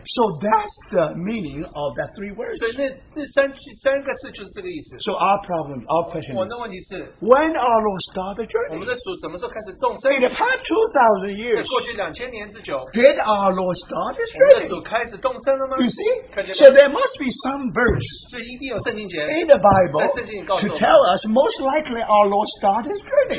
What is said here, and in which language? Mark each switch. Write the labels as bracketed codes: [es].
[en] So that's the meaning of that three words. [zh] 所以那三个字就是这个意思。 [en] So our problem, our question [zh] 我的问题是, [en] is, when our Lord start the journey? [zh] 我们的主什么时候开始动身? [en] In the past 2,000 years, [zh] 在过去2000年之久, [en] did our Lord start this journey? [zh] 我们的主开始动身了吗? [en] Do you see? [zh] 看见没? [en] So there must be some verse [zh] 所以一定有圣经节, [en] in the Bible to tell us most likely our Lord start his journey.